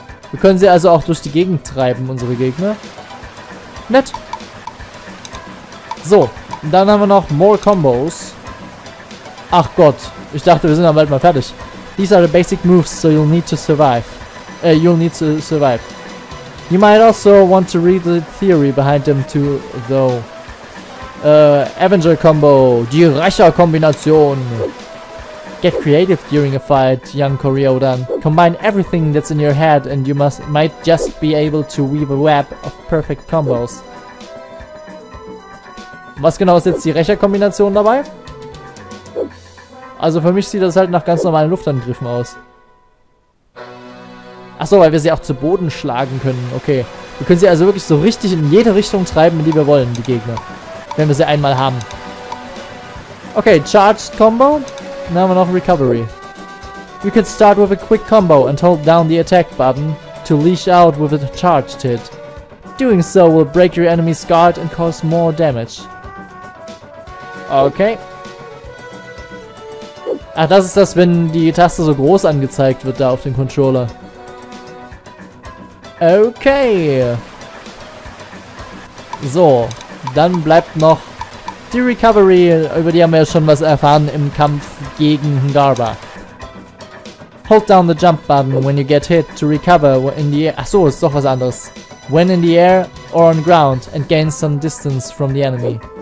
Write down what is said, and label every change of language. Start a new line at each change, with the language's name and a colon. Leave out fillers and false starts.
German: Wir können sie also auch durch die Gegend treiben, unsere Gegner. Nett. So, dann haben wir noch
English: more combos.
German: Ach Gott, ich dachte, wir sind dann bald mal fertig.
English: These are the basic moves, so you'll need to survive. You might also want to read the theory behind them too, though. Avenger Combo,
German: die Rächer-Kombination.
English: Get creative during a fight, young Koryodan. Combine everything that's in your head and you might just be able to weave a web of perfect combos.
German: Was genau ist jetzt die Rächer-Kombination dabei? Also für mich sieht das halt nach ganz normalen Luftangriffen aus. Achso, weil wir sie auch zu Boden schlagen können. Okay. Wir können sie also wirklich so richtig in jede Richtung treiben, in die wir wollen, die Gegner. Wenn wir sie einmal haben. Okay, Charged Combo. Dann haben wir noch Recovery.
English: You can start with a quick combo and hold down the attack button to leash out with a charged hit. Doing so will break your enemy's guard and cause more damage. Okay.
German: Ach, das ist das, wenn die Taste so groß angezeigt wird da auf dem Controller. Okay. So, dann bleibt noch die Recovery, über die haben wir ja schon was erfahren im Kampf gegen Ngarba.
English: Hold down the jump button when you get hit to recover in the air.
German: Achso, ist doch was anderes.
English: When in the air or on ground and gain some distance from the enemy.